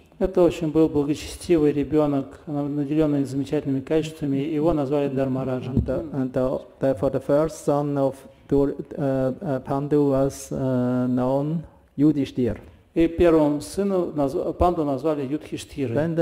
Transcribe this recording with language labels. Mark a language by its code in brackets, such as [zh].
[ru] Это очень был благочестивый ребенок, наделенный замечательными качествами, и его назвали Дармараджем. [en] Therefore, the first son of Panda was known Yudhishthir. [ru] И первым сыном Панду назвали Юдхиштхирой.